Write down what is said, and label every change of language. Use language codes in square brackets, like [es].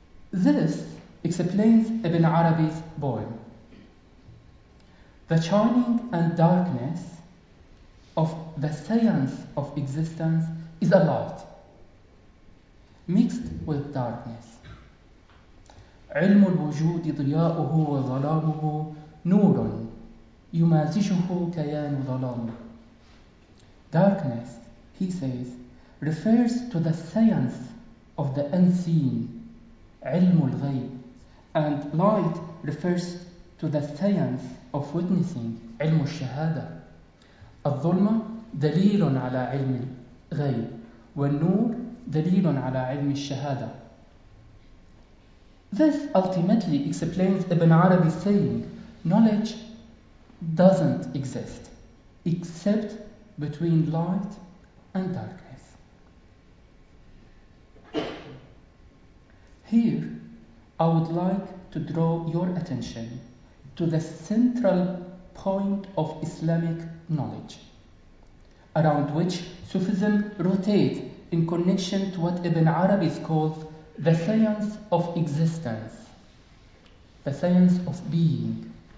[en] This explains Ibn Arabi's poem. The shining and darkness of the science of existence is a light mixed with darkness. [ar] علم الوجود ضياؤه وظلامه نور يمازجه كيان ظلام. [en] Darkness, he says, refers to the science of the unseen, [ar] علم الغيب, [en] And light refers to the science of witnessing, [ar] علم الشهادة. الظلمة دليل على علم الغيب والنور دليل على علم الشهادة. [en] This ultimately explains Ibn Arabi's saying, knowledge doesn't exist except between light and darkness. Here, I would like to draw your attention to the central point of Islamic knowledge, around which Sufism rotates in connection to what Ibn Arabi calls the science of existence, the science of being.